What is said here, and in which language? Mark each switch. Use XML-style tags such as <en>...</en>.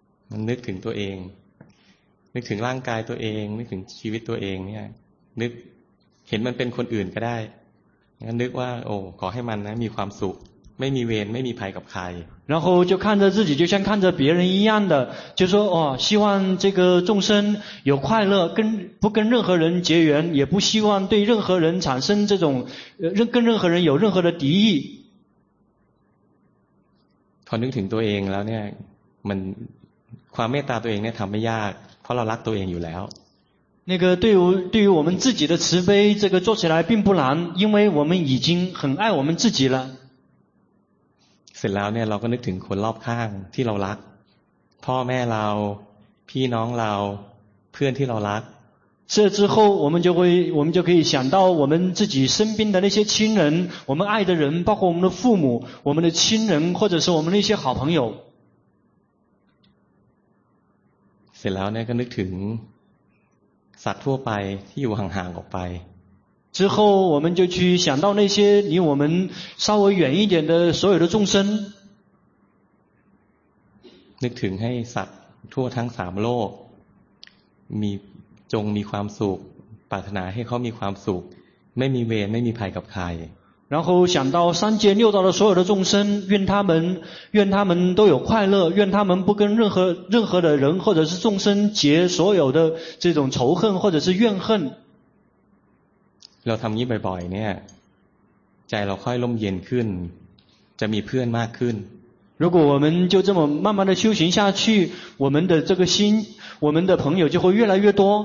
<th>มันนึกถึงตัวเองนึกถึงร่างกายตัวเองนึกถึงชีวิตตัวเองเนี่ยนึกเห็นมันเป็นคนอื่นก็ได้งั้นนึกว่าโอ้ขอให้มันนะมีความสุขไม่มีเวรไม่มีภัยกับใคร</th> <zh>然后就看着自己就像看着别人一样的就说哦希望这个众生有快乐跟不跟任何人结缘也不希望对任何人产生这种跟任何人有任何的敌意</zh> <th>พอนึกถึงตัวเองแล้วเนี่ยมันความเมตตาตัวเองเนี่ยทำไม่ยากเพราะเรารักตัวเองอยู่แล้ว</th> <zh>那个对于我们自己的慈悲这个做起来并不难因为我们已经很爱我们自己了</zh> <th>เสร็จแล้วเนี่ยเราก็นึกถึงคนรอบข้างที่เรารักพ่อแม่เราพี่น้องเราเพื่อนที่เรารัก</th> <zh>这之后我们就可以想到我们自己身边的那些亲人我们爱的人包括我们的父母我们的亲人或者是我们那些好朋友</zh> <th>เสร็จแล้วเนี่ยก็นึกถึงสัตว์ทั่วไปที่อยู่ห่างๆออกไป</th> <zh>之后我们就去想到那些离我们稍微远一点的所有的众生</zh> <th>นึกถึงให้สัตว์ทั่วทั้งสามโลกมีจงมีความสุขปรารถนาให้เขามีความสุขไม่มีเวรไม่มีภัยกับใคร</th> <zh>然后想到三界六道的所有的众生愿他们都有快乐愿他们不跟任何的人或者是众生结所有的这种仇恨或者是怨恨</zh> <th>เราทำนี้บ่อยๆเนี่ยใจเราค่อยร่มเย็นขึ้นจะมีเพื่อนมากขึ้น</th> <zh>如果我们就这么慢慢的修行下去我们的这个心我们的朋友就会越来越多</zh>